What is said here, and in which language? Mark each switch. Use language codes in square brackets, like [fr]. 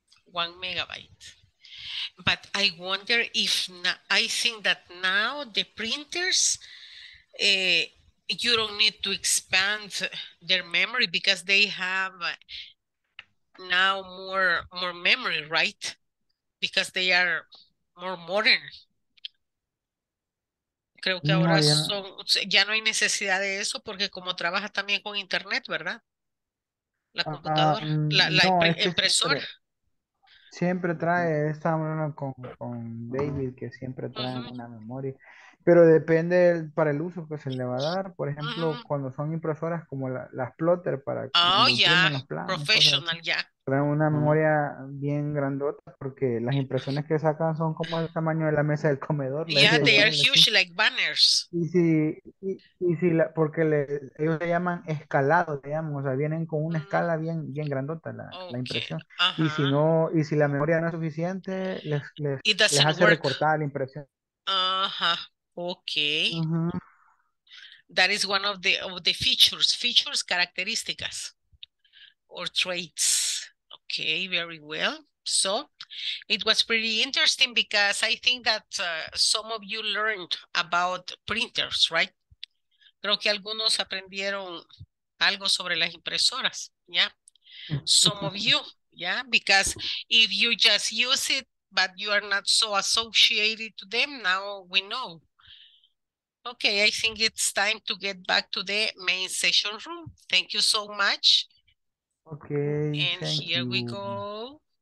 [en] 1 megabyte. But I wonder if I think that now the printers, you don't need to expand their memory because they have now more memory, right? Because they are more modern. [es] Creo que ahora ya no hay necesidad de eso porque como trabaja también con internet, ¿verdad? La computadora, impresora. Siempre trae, estamos hablando con David, que siempre trae uh-huh. una memoria. Pero depende para el uso que se le va a dar. Por ejemplo, uh-huh. cuando son impresoras como las plotter para que los planos. Professional, ya. Yeah. Traen una memoria uh-huh. bien grandota porque las impresiones que sacan son como el tamaño de la mesa del comedor. [en] Yeah, they are huge like banners. [es] Y si porque ellos le llaman escalado, digamos. O sea, vienen con una uh-huh. escala bien, bien grandota la impresión. Uh-huh. Y si la memoria no es suficiente, les hace recortar la impresión. Ajá. Uh-huh. Okay, uh-huh. [en] that is one of the features, características, or traits. Okay, very well. So it was pretty interesting because I think that some of you learned about printers, right? [es] Creo que algunos aprendieron algo sobre las impresoras, yeah? [en] Some of you, yeah? Because if you just use it, but you are not so associated to them, now we know. Okay, I think it's time to get back to the main session room. Thank you so much. Okay, and thank here you. We go.